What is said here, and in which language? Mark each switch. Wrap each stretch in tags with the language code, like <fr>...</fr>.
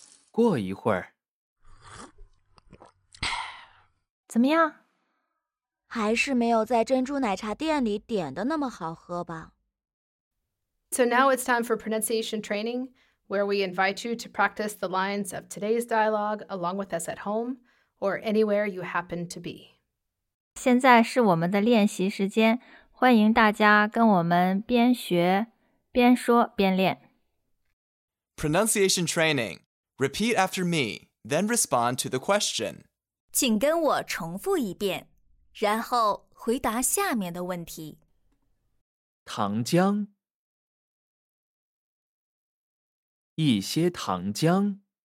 <zh>过一会儿。怎么样？还是没有在珍珠奶茶店里点的那么好喝吧。</zh> <en>So now it's time for pronunciation training, where we invite you to practice the lines of today's dialogue along with us at home or anywhere you happen to be.</en> <zh>现在是我们的练习时间，欢迎大家跟我们边学边说边练。</zh> <en>Pronunciation training. Repeat after me, then respond to the question.</en> <zh>请跟我重复一遍，然后回答下面的问题。糖浆，一些糖浆。</zh>